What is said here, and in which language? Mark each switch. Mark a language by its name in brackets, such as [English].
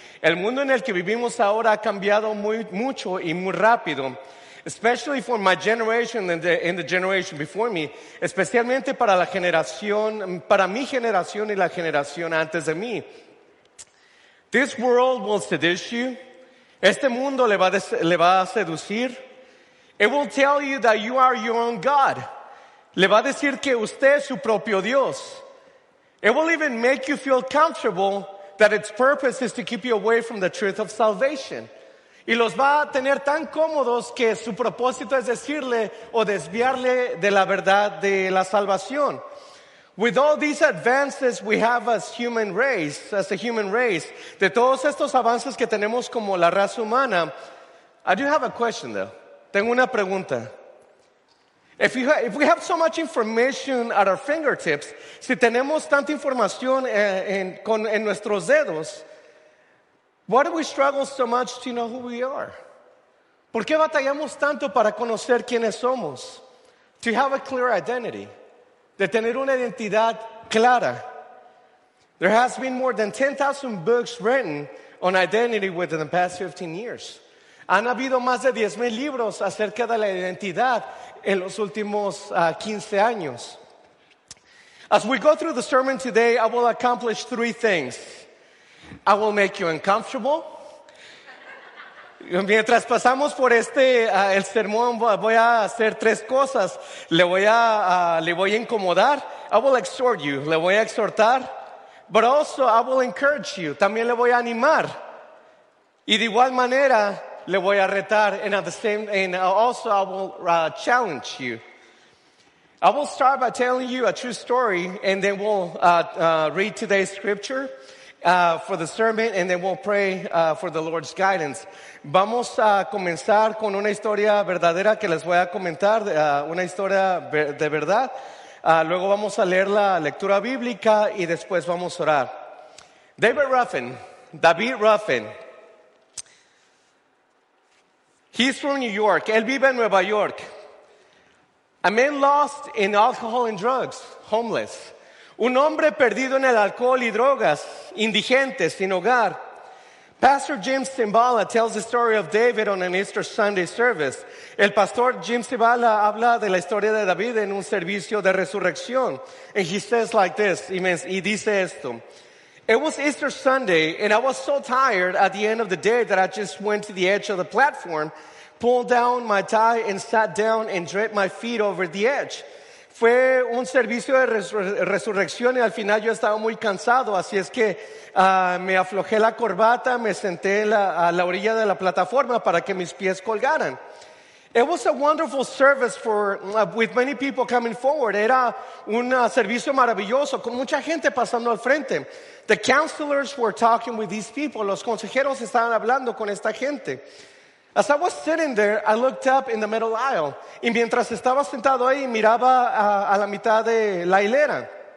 [Spanish] El mundo en el que vivimos ahora ha cambiado muy mucho y muy rápido. [English] Especially for my generation and the generation before me. [Spanish] Especialmente para la generación, para mi generación y la generación antes de mí. [English] This world will seduce you. [Spanish] Este mundo le va a seducir. [English] It will tell you that you are your own God. [Spanish] Le va a decir que usted es su propio Dios. [English] It will even make you feel comfortable that its purpose is to keep you away from the truth of salvation. [Spanish] Y los va a tener tan cómodos que su propósito es decirle o desviarle de la verdad de la salvación. [English] With all these advances we have as a human race, [Spanish] de todos estos avances que tenemos como la raza humana, [English] I do have a question though. [Spanish] Tengo una pregunta. [English] If we have so much information at our fingertips, [Spanish] si tenemos tanta información en nuestros dedos, [English] why do we struggle so much to know who we are? [Spanish] ¿Por qué batallamos tanto para conocer quiénes somos? [English] To have a clear identity. [Spanish] De tener una identidad clara. [English] There has been more than 10,000 books written on identity within the past 15 years. [Spanish] Han habido más de 10,000 libros acerca de la identidad en los últimos 15 años. [English] As we go through the sermon today, I will accomplish 3 things. I will make you uncomfortable. [Spanish] Mientras pasamos por el sermón, voy a hacer 3 cosas. Le voy a incomodar. [English] I will exhort you. [Spanish] Le voy a exhortar. [English] But also, I will encourage you. [Spanish] También le voy a animar. Y de igual manera, le voy a retar. [English] And also, I will challenge you. I will start by telling you a true story, and then we'll read today's scripture. For the sermon, and then we'll pray for the Lord's guidance. [Spanish] Vamos a comenzar con una historia verdadera que les voy a comentar, una historia de verdad. Luego vamos a leer la lectura bíblica y después vamos a orar. David Ruffin. [English] He's from New York. [Spanish] Él vive en Nueva York. [English] A man lost in alcohol and drugs, homeless. [Spanish] Un hombre perdido en el alcohol y drogas, indigente, sin hogar. [English] Pastor Jim Cimbala tells the story of David on an Easter Sunday service. [Spanish] El pastor Jim Cimbala habla de la historia de David en un servicio de resurrección. [English] And he says like this, [Spanish] y dice esto. [English] It was Easter Sunday and I was so tired at the end of the day that I just went to the edge of the platform, pulled down my tie and sat down and draped my feet over the edge. [Spanish] Fue un servicio de resurrección y al final yo estaba muy cansado, así es que me aflojé la corbata, me senté a la orilla de la plataforma para que mis pies colgaran. [English] It was a wonderful service with many people coming forward. [Spanish] Era un servicio maravilloso con mucha gente pasando al frente. [English] The counselors were talking with these people. [Spanish] Los consejeros estaban hablando con esta gente. [English] As I was sitting there, I looked up in the middle aisle. [Spanish] Y mientras estaba sentado ahí, miraba a la mitad de la hilera.